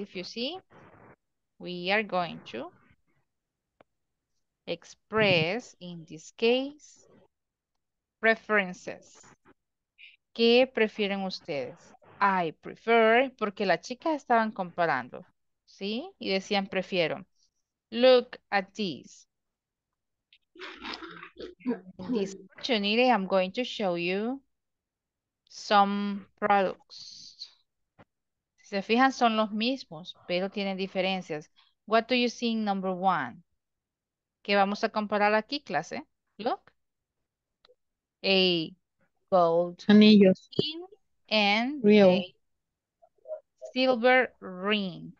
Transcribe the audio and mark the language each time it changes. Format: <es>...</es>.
<en>If you see, we are going to express, in this case, preferences.</en> <es>¿Qué prefieren ustedes?</es> <en>I prefer,</en> <es>porque las chicas estaban comparando, ¿sí? Y decían prefiero.</es> <en>Look at this. In this opportunity, I'm going to show you some products.</en> <es>Si se fijan, son los mismos, pero tienen diferencias.</es> <en>What do you see in number one?</en> <es>¿Qué vamos a comparar aquí, clase?</es> <en>Look. A gold</en> <es>anillos.</es> <en>Ring and real. A silver ring.</en>